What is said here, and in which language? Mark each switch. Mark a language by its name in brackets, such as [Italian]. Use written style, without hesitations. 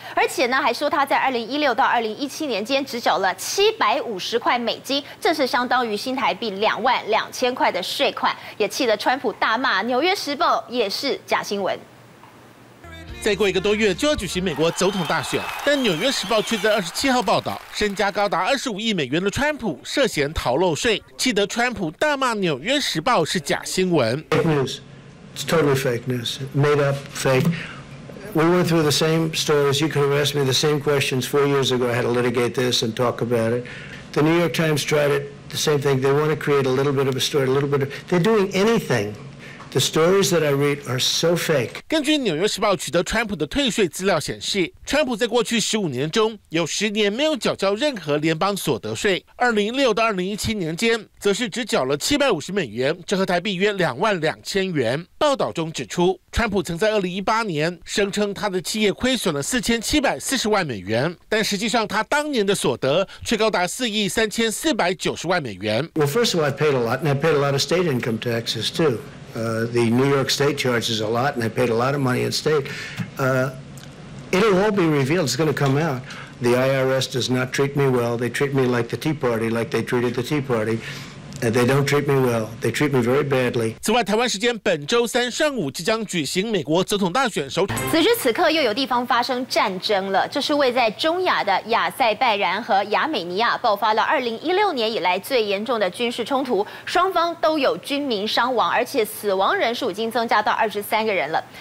[Chinese] 而且呢还说他在2016到2017年间只缴了750块美金，这是相当于新台币22000块的税款，也气得川普大骂，纽约时报也是假新闻。再过一个多月就要举行美国总统大选，但《纽约时报》却在27号报道，身家高达25亿美元的川普涉嫌逃漏税，气得川普大骂《纽约时报》是假新闻。 [English] Fake news, it's totally fake news, made up fake. We went through the same stories. You could have asked me the same questions 4 years ago. I had to litigate this and talk about it. The New York Times tried it, the same thing. They want to create a little bit of a story, a little bit of. They're doing anything. The stories that I read are so fake. [Chinese] 根据《纽约时报》取得川普的退税资料显示，川普在过去15年中有10年没有缴交任何联邦所得税。 2006到2017年间，则是只缴了750美元，折合台币约22000元。报道中指出，川普曾在2018年声称他的企业亏损了4740万美元，但实际上他当年的所得却高达4亿3490万美元。 [English] Well, first of all, I paid a lot, and I paid a lot of state income taxes too. The New York State charges a lot, and they paid a lot of money in state. It'll all be revealed. It's going to come out. The IRS does not treat me well. They treat me like the Tea Party, like they treated the Tea Party. They don't treat me well. They treat me very badly. [Chinese] 此外，台湾时间本周三上午即将举行美国总统大选首场。此时此刻又有地方发生战争了，这是位在中亚的亚塞拜然和亚美尼亚爆发了2016年以来最严重的军事冲突，双方都有军民伤亡，而且死亡人数已经增加到23个人了。